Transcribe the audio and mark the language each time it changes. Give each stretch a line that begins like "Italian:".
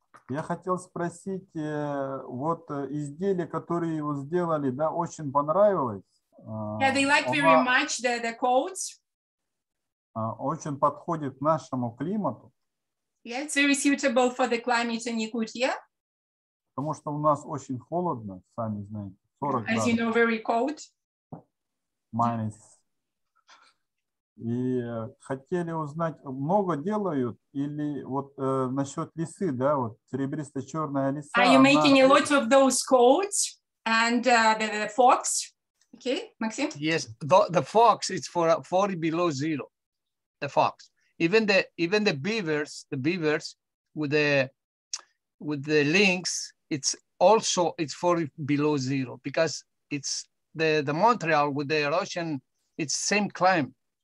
Russian: Я хотел спросить, вот изделие, которое его сделали, да, очень понравилось.
English: Yeah, they like very much the coats.
Russian: Очень подходит к нашему климату.
English: Yeah, it's very suitable for the climate in Yakutia.
Russian: Потому что у нас очень холодно, сами знаете, 40 градусов.
English: As you know, very cold. Minus.
Russian: И хотели узнать, много делают или вот насчет лисы, да, вот серебристо-черная лиса.
English: Are you making a lot of those coats and the fox? Okay, Maxim? Yes, the fox is for 40 below zero, the fox. Even the beavers, with the lynx, it's 40 below zero because it's the Montreal with the Russian, it's same climate.